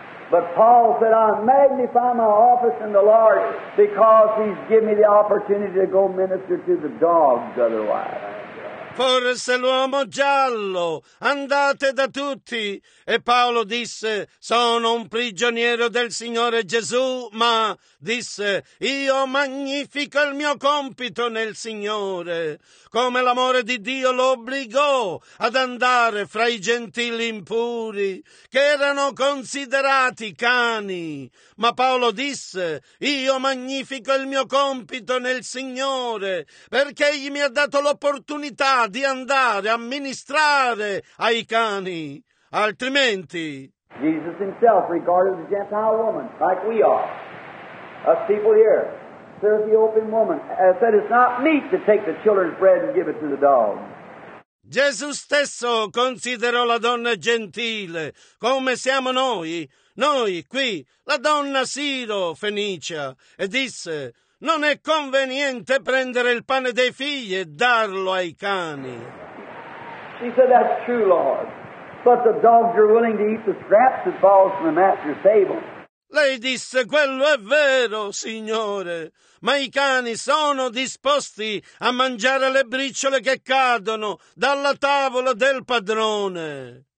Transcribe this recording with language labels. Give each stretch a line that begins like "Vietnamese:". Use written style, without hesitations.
English: But Paul said, I magnify my office in the Lord because he's given me the opportunity to go minister to the dogs otherwise.
Italian: Porre se l'uomo giallo, andate da tutti. E Paolo disse, sono un prigioniero del Signore Gesù, ma disse, io magnifico il mio compito nel Signore. Come l'amore di Dio lo obbligò ad andare fra i gentili impuri, che erano considerati cani. Ma Paolo disse, io magnifico il mio compito nel Signore, perché egli mi ha dato l'opportunità di andare a ministrare ai cani. Altrimenti,
English: Jesus himself regarded the Gentile woman like we are, us people here, Ethiopian woman, and said it's not meet to take the children's bread and give it to the dogs.
Italian: Gesù stesso considerò la donna gentile come siamo noi, noi qui, la donna Siro Fenicia, e disse, non è conveniente prendere il pane dei figli e darlo ai cani.
English: She said, that's true, Lord. But the dogs are willing to eat the scraps that falls from the master's table.
Italian: Lei disse, quello è vero, Signore, ma i cani sono disposti a mangiare le briciole che cadono dalla tavola del padrone.